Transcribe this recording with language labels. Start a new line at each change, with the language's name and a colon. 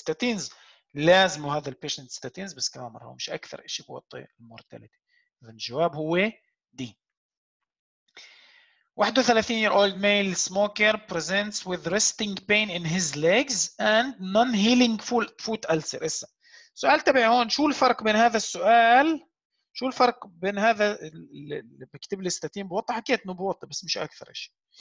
Arabic: statins لازم هذا الـ patient statins، بس كمان مرة هو مش أكثر إشي بوطي الـ mortality. الجواب هو D.
English: 31-year-old male smoker presents with resting pain in his legs and non-healing foot ulcer.
Arabic: السؤال تبعي هون، شو الفرق بين هذا السؤال؟ شو الفرق بين هذا اللي بكتب لي استاتين بوطي؟ حكيت انه بوطي بس مش اكثر شيء.